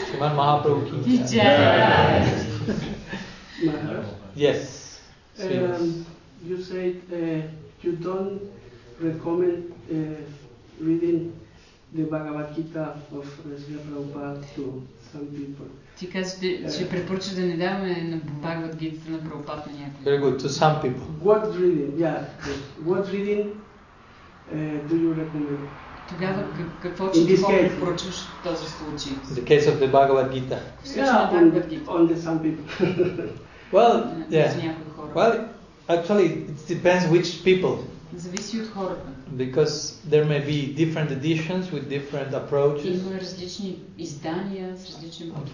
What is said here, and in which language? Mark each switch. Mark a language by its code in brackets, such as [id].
[en] Mahaprabhu. Yes. You said you don't recommend reading the Bhagavad Gita of Srila Prabhupada to some people. [bg] Ти казваш, че препоръчваш да не даваме на Бхагавад Гитата на Прабхупад на някой. [en] Very good, to some people. What reading, yeah. What reading do you recommend? [bg] Тогава какво ще ти препоръчваш в този случай? [en] The case of the Bhagavad Gita. Yeah, on the some people. Well, yeah. Well, actually, it depends which people. [bg] Зависи от хората. [en] Because there may be different editions with different approaches. [bg] Има различни издания с различни подходи.